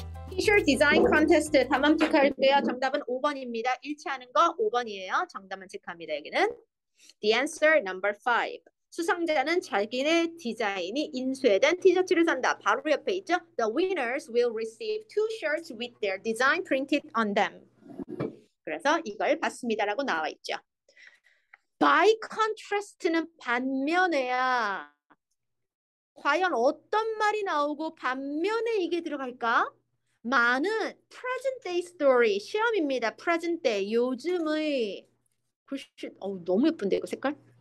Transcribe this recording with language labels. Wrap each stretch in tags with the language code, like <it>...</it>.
<ko>티셔츠 디자인 콘테스트 답만 체크할게요. 정답은 5번입니다. 일치하는 거 5번이에요. 정답만 체크합니다. 여기는</ko> <en>The answer number 5.</en> <ko>수상자는 자기네 디자인이 인쇄된 티셔츠를 산다. 바로 옆에 있죠?</ko> <en>The winners will receive two shirts with their design printed on them.</en> <ko>그래서 이걸 받습니다라고 나와 있죠.</ko> <en>By contrast는</en> <ko>반면에야 과연 어떤 말이 나오고 반면에 이게 들어갈까? 많은</ko> <en>present day story</en> <ko>시험입니다.</ko> <en>present day</en> <ko>요즘의 너무 예쁜데 이거 색깔?</ko>